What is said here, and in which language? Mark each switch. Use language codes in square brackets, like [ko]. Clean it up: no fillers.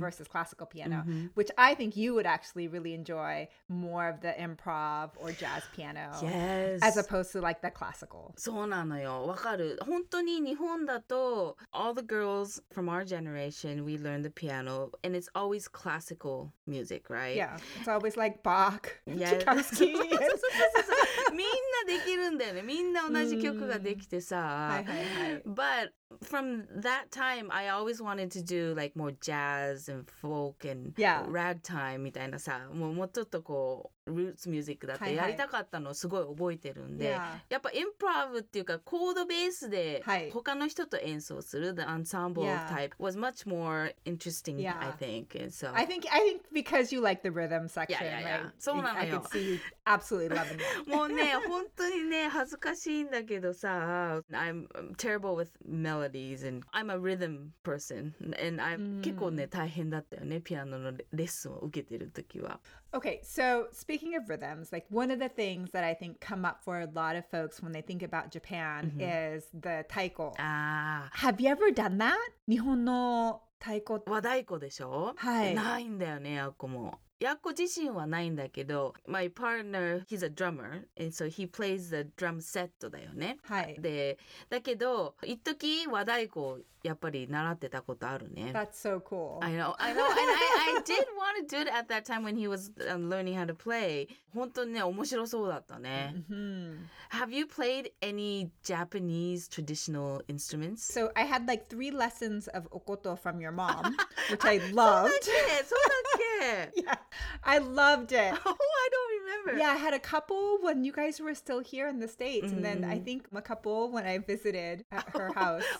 [en] versus classical piano, mm-hmm. which I think you would actually really enjoy more of the improv or jazz piano. Yes. As opposed to, like, the classical. [ja] そうなのよ。わかる。本当に日本だと、 [en] all the girls from our generation, we learn the piano, and it's always classical music, right? Yeah. It's always like Bach, Tchaikovsky. [ja] そうそうそうそう。みんなできるんだよね。みんな同じ曲ができてさ。はいはいはい。 [en] But from that time, I always wanted to do like more jazz and folk and yeah. [ja] ragtime みたいなさ。もうちょっとこう、roots music だってやりたかったのをすごい覚えてるんで。はいはい、やっぱ improv っていうかコードベースで他の人と演奏する、はい、 [en] the ensemble yeah. type was much more interesting, yeah. I think. And so, I think because you like the rhythm section. Yeah, yeah, yeah. Like, [ja] そうなのよ。 [en] I could see you absolutely loving it. [ja] もうね、本当にね、恥ずかしいんだけどさ、 [en] I'm terrible with melodies and I'm a rhythm person. And I'm、mm. [ja] 結構ね、大変だったよね、ピアノのレッスンを受けてる時は。 [en] Okay, so speaking of rhythms, like one of the things that I think come up for a lot of folks when they think about Japan、mm-hmm. is the taiko. Ah. Have you ever done that? [ja] 日本の太鼓。和太鼓でしょ？はい。ないんだよね、あこも。やっこ自身はないんだけど、 [en] my partner, he's a drummer, and so he plays the drum set [ja] だよね。はい。で、だけど、一時和太鼓やっぱり習ってたことあるね。 [en] That's so cool. I know, and I did want to do it at that time when he was learning how to play. [ja] 本当にね、面白そうだったね。 Mm-hmm. [en] Have you played any Japanese traditional instruments? So I had like 3 lessons of okoto from your mom, which I loved. [ja] そうだっけ [en] Yeah, I loved it. Oh, I don't remember. Yeah, I had a couple when you guys were still here in the States, mm-hmm. and then I think a couple when I visited at her house.